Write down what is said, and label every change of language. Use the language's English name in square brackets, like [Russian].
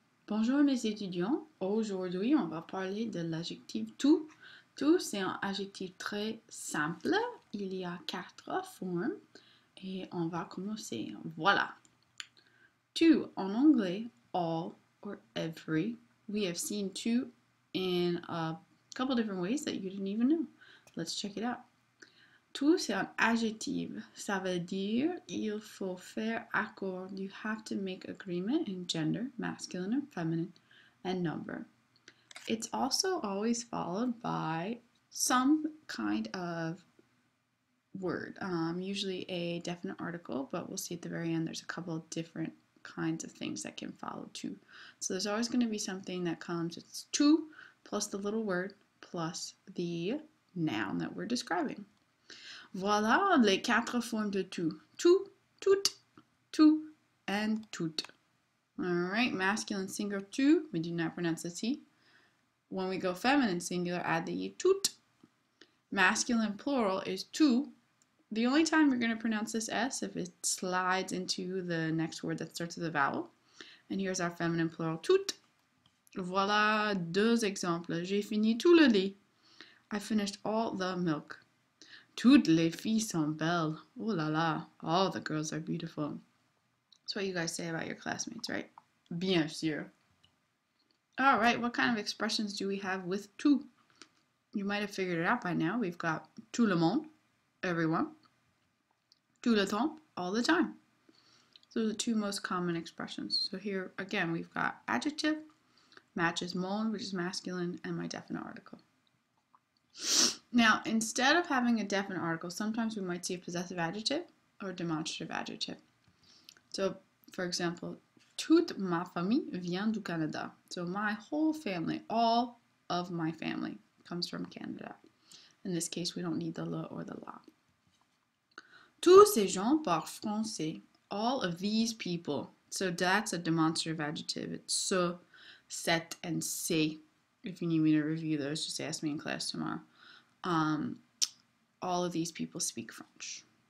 [French] Bonjour mes étudiants, aujourd'hui on va parler de l'adjectif tout. Tout c'est un adjectif très simple, il y a quatre formes et on va commencer. Voilà. Tout en anglais, [English] all or every. We have seen tout in a couple different ways that you didn't even know. Let's check it out. [French] Tout c'est un adjectif, ça veut dire il faut faire accord, [English] you have to make agreement in gender, masculine or feminine, and number. It's also always followed by some kind of word, usually a definite article, but we'll see at the very end there's a couple of different kinds of things that can follow tout. So there's always going to be something that comes, it's tout plus the little word plus the noun that we're describing. [French] Voilà les quatre formes de tout. Tout, tout, tout, and tout. [English] Alright, masculine singular tout. We do not pronounce the T. When we go feminine singular, add the tout. Masculine plural is tout. The only time you're going to pronounce this S if it slides into the next word that starts with a vowel. And here's our feminine plural, tout. [French] Voilà deux exemples. J'ai fini tout le lait. [English] I finished all the milk. [French] Toutes les filles sont belles. Oh la la. [English] All the girls are beautiful. That's what you guys say about your classmates, right? [French] Bien sûr. [English] All right, what kind of expressions do we have with tout? You might have figured it out by now. We've got [French] tout le monde, [English] everyone. [French] Tout le temps, [English] all the time. So those are the two most common expressions. So here, again, we've got adjective, matches monde, which is masculine, and my definite article. Now, instead of having a definite article, sometimes we might see a possessive adjective or a demonstrative adjective. So, for example, [French] toute ma famille vient du Canada. [English] So, my whole family, all of my family, comes from Canada. In this case, we don't need the le or the la. [French] Tous ces gens parlent français. [English] All of these people. So, that's a demonstrative adjective. It's ce, cet, and ces. If you need me to review those, just ask me in class tomorrow. All of these people speak French.